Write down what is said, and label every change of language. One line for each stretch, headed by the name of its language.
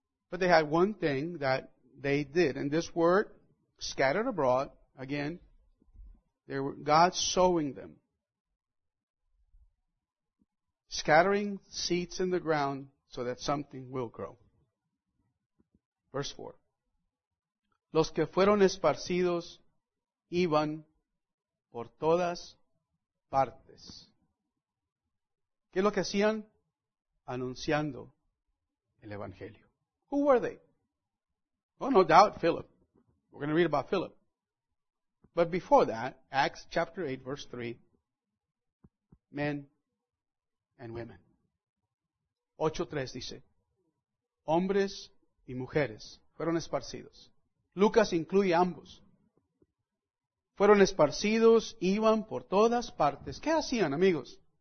English: But they had one thing that they did. And this word, scattered abroad, again, they were God sowing them. Scattering seeds in the ground so that something will grow. Verse 4.
Spanish: Los que fueron esparcidos iban por todas partes. ¿Qué es lo que hacían? Anunciando el Evangelio.
English: Who were they? Oh, no doubt, Philip. We're going to read about Philip. But before that, Acts chapter 8, verse 3. Men and women.
Spanish: 8:3 dice, hombres y mujeres fueron esparcidos. Lucas incluye ambos. Fueron esparcidos, iban por todas partes. ¿Qué hacían, amigos?